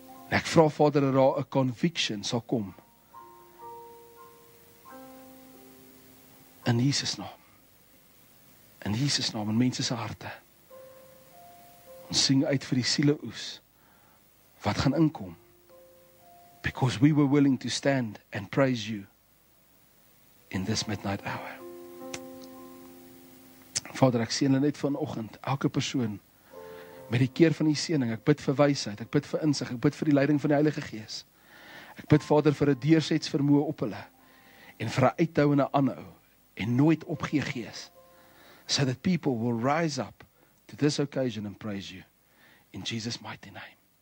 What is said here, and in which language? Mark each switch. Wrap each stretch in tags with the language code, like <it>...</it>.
<af>En ek vra Vader dat daar 'n conviction sal kom. In Jesus naam. in Jesus naam in mensense harte. Ons sing uit vir die siele oes wat gaan inkom.</af> <en>Because we were willing to stand and praise you in this midnight hour.</en> <af>Vader, ek seën net vanoggend elke persoon met die keer van die seëning. Ek bid vir wysheid, ek bid vir insig, ek bid vir die leiding van die Heilige Gees. Ek bid Vader vir 'n deursets vermoë op hulle en vir 'n uithou en 'n aanhou en nooit opgee gees.</af> <en>So that people will rise up to this occasion and praise you in Jesus' mighty name.</en>